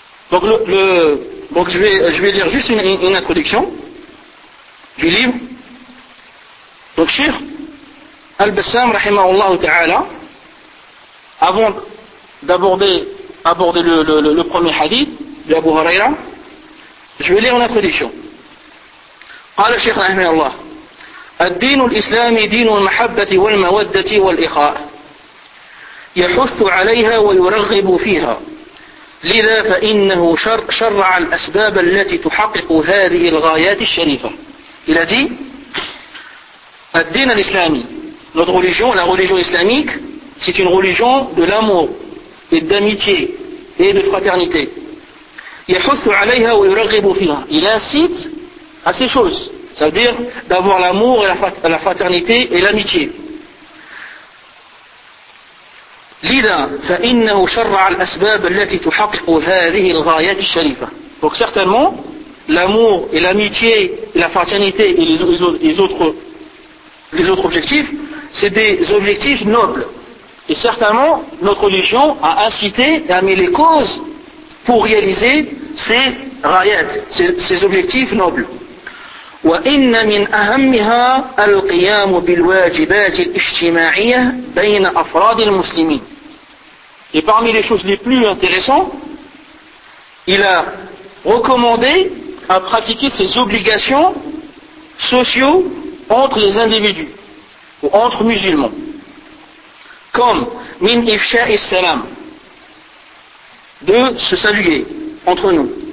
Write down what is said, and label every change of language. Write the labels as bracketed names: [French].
[French] Donc je vais lire juste une introduction du livre. Donc Cheikh Al-Bassam rahimahullah ta'ala, avant d'aborder le premier hadith d'Abu Huraira, je vais lire une introduction. [Arabic] قال الشيخ رحمه الله الدين الإسلامي دين المحبة والمودة والإخاء يحث عليها ويرغب فيها لذا فإنه شرع الأسباب التي تحقق هذه الغايات الشريفة إلى دي الدين الإسلامي [French] notre religion, la religion islamique c'est une religion de l'amour et d'amitié et de fraternité [Arabic] يحث عليها ويرغب فيها [French] il incite à ces choses. Ça veut dire d'avoir l'amour et la fraternité et l'amitié. [Arabic] Lida فإنه شرع الأسباب التي تحقق هذه الغايات الشريفة. [French] Donc certainement, l'amour et l'amitié, la fraternité et les autres objectifs, c'est des objectifs nobles. Et certainement, notre religion a incité et a mis les causes pour réaliser ces غايات, ces objectifs nobles. [Arabic] وإن من أهمها القيام بالواجبات الاجتماعية بين أفراد المسلمين. [French] Et parmi les choses les plus intéressantes, il a recommandé à pratiquer ses obligations sociaux entre les individus ou entre musulmans. Comme [Arabic] من إفشاء السلام, [French] de se saluer entre nous.